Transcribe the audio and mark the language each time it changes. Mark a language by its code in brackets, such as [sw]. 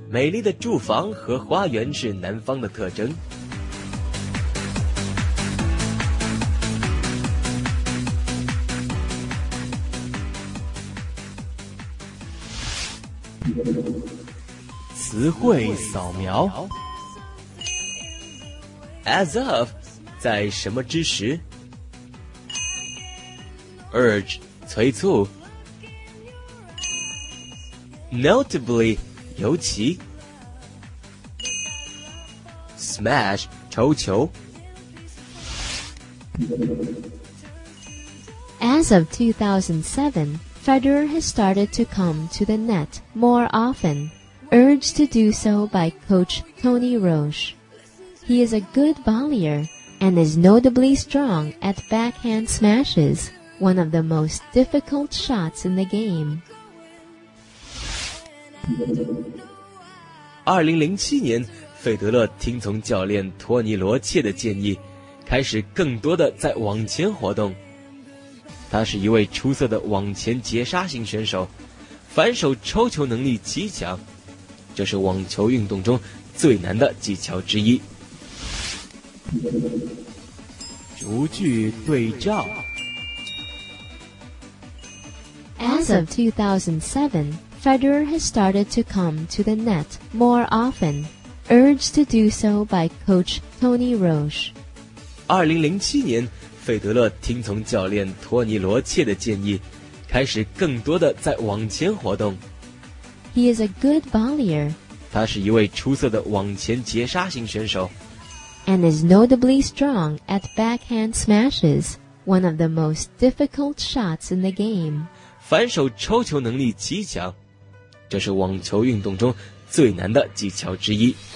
[zh] 美丽的住房和花园是南方的特征。词汇扫描。 As of在什么之时 ？Urge， 催促。 Notably， 尤其。 Smash， 抽球。 [en] As of 2007， Federer has started to come to the net more often, urged to do so by coach Tony Roche. He is a good volleyer. And is notably strong at backhand smashes, one of the most difficult shots in the game. [zh] 2007年，费德勒听从教练托尼·罗切的建议，开始更多的在网前活动。他是一位出色的网前截杀型选手，反手抽球能力极强，这是网球运动中最难的技巧之一。逐句对照。 [en] As of 2007, Federer has started to come to the net more often, urged to do so by coach Tony Roche. [zh] 2007年，费德勒听从教练托尼·罗切的建议，开始更多的在网前活动。 [en] He is a good volleyer. [zh] 他是一位出色的网前截杀型选手。 [en] And is notably strong at backhand smashes, one of the most difficult shots in the game. [zh] 反手抽球能力极强，这是网球运动中最难的技巧之一。